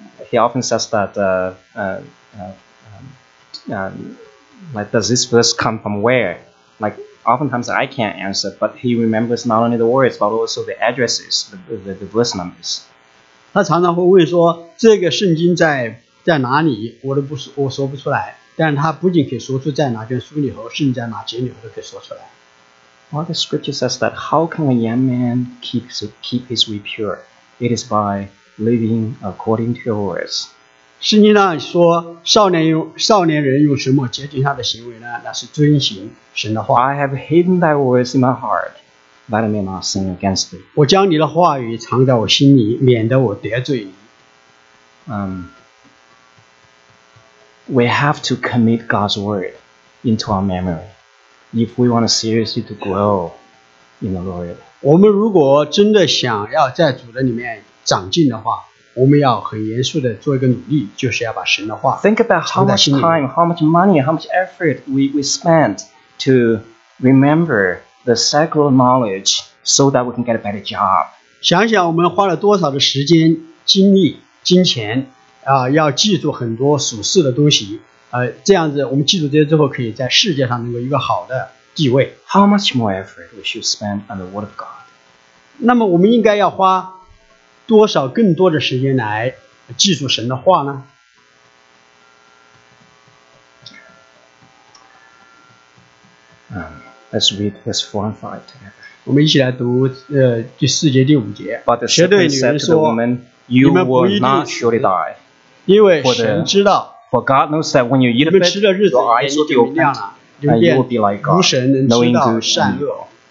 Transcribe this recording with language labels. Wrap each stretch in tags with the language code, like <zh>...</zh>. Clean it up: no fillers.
<en>He often says that, like, does this verse come from where? Like, oftentimes I can't answer, but he remembers not only the words, but also the addresses, the verse numbers.</en> <zh>他常常会问说，这个圣经在哪里，我说不出来，但他不仅可以说出在哪卷书里和圣经在哪节里都可以说出来。</zh> <en>Well, the scripture says that how can a young man keep his way pure? It is by living according to your words.</en> <zh>圣经上说，少年人用什么洁净他的行为呢？那是遵行神的话。</zh> <en>I have hidden thy words in my heart. That I may not sin against thee.</en> <zh>我将你的话语藏在我心里，免得我得罪你。</zh> <en>We have to commit God's word into our memory if we want to seriously to grow in the Lord.</en> <zh>我们如果真的想要在主的里面长进的话，我们要很严肃的做一个努力，就是要把神的话藏在心里。</zh> <en>Think about how much time, how much money, how much effort we spend to remember. The sacred knowledge, so that we can get a better job.</en> <zh>想想我们花了多少的时间、精力、金钱啊，要记住很多属世的东西。这样子我们记住这些之后，可以在世界上能够一个好的地位。</zh> <en>How much more effort we should spend on the Word of God?</en> <zh>那么我们应该要花多少更多的时间来记住神的话呢？</zh> <en>Let's read verse 4 and 5 together.</en> <zh>我们一起来读第四节第五节。</zh> <en>But the serpent said to the woman, You will not surely die.</en> <zh>因为神知道。</zh> <en>For God knows that when you eat of it, your eyes will be opened, and you will be like God, knowing good and evil.</en>